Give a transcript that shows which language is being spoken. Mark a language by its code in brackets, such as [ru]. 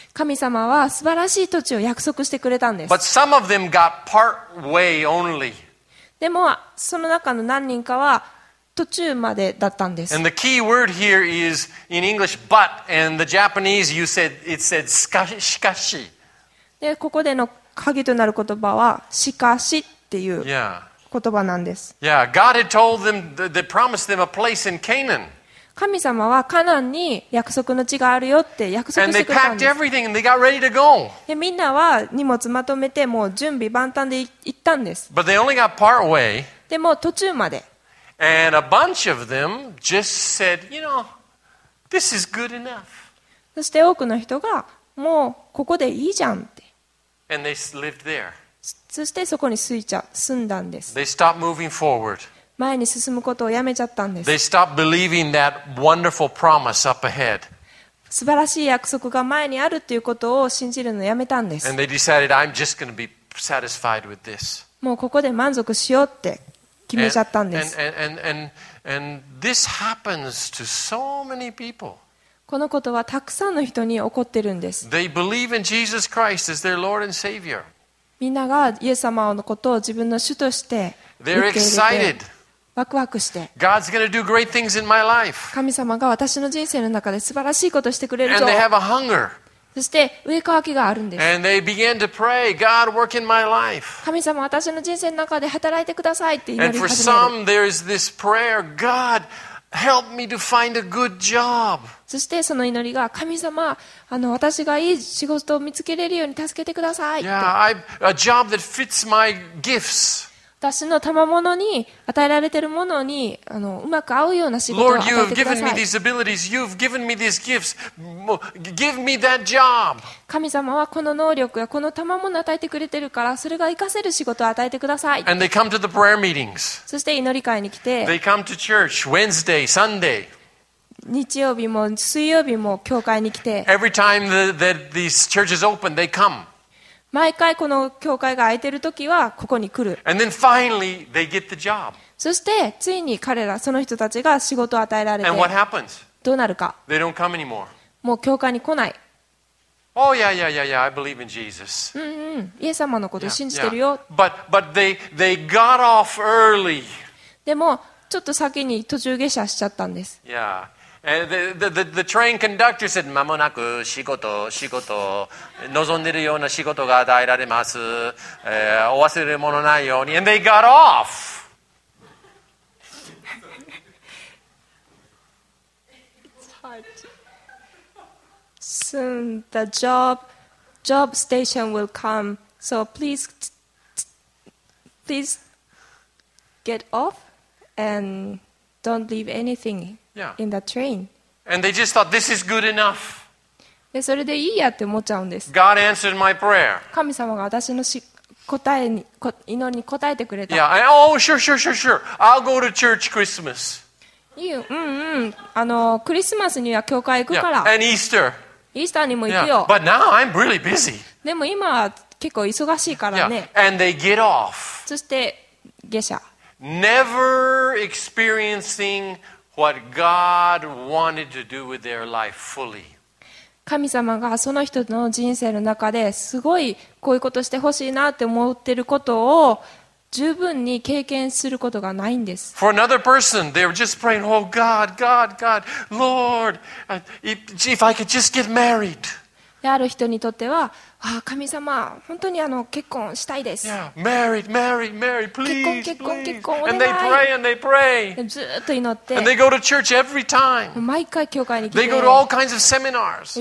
[ja] 神様は素晴らしい土地を約束してくれたんです。 [en] But some of them got part way only. [ja] でもその中の何人かは途中までだったんです。 [en] And the key word here is in English but, and the Japanese you said it said しかし。 [ja] でここでの鍵となる言葉はしかしっていう言葉なんです。 [en] Yeah, God had told them, they promised them a place in Canaan. [ja] 神様はカナンに約束の地があるよって約束してくれたんです。 [en] And they packed everything and they got ready to go. [ja] でみんなは荷物まとめてもう準備万端で行ったんです。 [en] But they only got part way. [ja] でも途中まで。 [en] And a bunch of them just said, you know, this is good enough. [ja] そして多くの人がもうここでいいじゃんって。 [en] And they lived there. [ja] そしてそこに住んだんです。 [en] They stopped moving forward. [ja] 前に進むことをやめちゃったんです。 [en] They stopped believing that wonderful promise up ahead. [ja] 素晴らしい約束が前にあるということを信じるのをやめたんです。 [en] And they decided, I'm just going to be satisfied with this. [ja] もうここで満足しようって決めちゃったんです。 [en] And this happens to so many people. [ja] このことはたくさんの人に起こってるんです。 [en] They believe in Jesus Christ as their Lord and Savior. [ja] みんながイエス様のことを自分の主として受け入れて、 [en] They're excited. [ja] ワクワクして、 [en] God's going to do great things in my life. [ja] 神様が私の人生の中で素晴らしいことをしてくれるぞ。 [en] And they have a hunger. [ja] そして飢え渇きがあるんです。 [en] And they begin to pray, God work in my life. [ja] 神様私の人生の中で働いてくださいって祈り始める。 [en] And for some, there is this prayer, God. Help me to find a good job. [ja] そしてその祈りが神様私がいい仕事を見つけれるように助けてくださいって。 [en] Yeah, I've a job that fits my gifts. [ja] 私の賜物に与えられているものにうまく合うような仕事を与えてください。 [en] Lord, you've given me these abilities. You've given me these gifts. Give me that job. [ja] 神様はこの能力やこの賜物を与えてくれてるからそれが活かせる仕事を与えてください。 [en] And they come to the prayer meetings. [ja] そして祈り会に来て。 [en] They come to church Wednesday, Sunday. [ja] 日曜日も水曜日も教会に来て。 [en] Every time that these churches open, they come. [ja] 毎回この教会が空いてるときはここに来る。 [en] And then finally they get the job. [ja] そしてついに彼らその人たちが仕事を与えられて。 [en] And what happens? [ja] どうなるか。 [en] They don't come anymore. [ja] もう教会に来ない。 [en] Oh yeah yeah yeah yeah I believe in Jesus. [ja] イエス様のことを信じてるよ。 [en] Yeah, yeah. But they got off early. [ja] でもちょっと先に途中下車しちゃったんです。 [en] Yeah. The train conductor said, [ja] 間もなく仕事、仕事、望んでるような仕事が与えられます。お忘れ物ないように。 [en] And they got off! It's hard. Soon the job station will come. So please get off and don't leave anything. Yeah. In the train. And they just thought this is good enough. [ja] でそれでいいやって思っちゃうんです。 [en] God answered my prayer. [ja] 神様が私のし答えに祈りに答えてくれた。 [en] Yeah, I, oh, sure, sure, sure, sure. I'll go to church Christmas. [ja] いい、うんうん、あのクリスマスには教会行くから。 [en] Yeah, and Easter. [ja] イースターにも行くよ。 [en] Yeah, but now I'm really busy. [ja] でも今は結構忙しいからね。 [en] Yeah, and they get off. [ja] そして下車。 [en] Never experiencing what God wanted to do with their life fully. [ja] 神様がその人の人生の中ですごいこういうことしてほしいなって思っていることを十分に経験することがないんです。 [en] For another person, they were just praying, Oh God, God, God, Lord, if I could just get married. [ja] である人にとっては、ああ神様、本当にあの結婚したいです。 [en] Yeah, married, married, married, please. [ja] 結婚、結婚、結婚、お願い。 [en] And they pray, and they pray. [ja] ずっと祈って。 [en] And they go to church every time. [ja] 毎回教会に来て。 [en] They go to all kinds of seminars.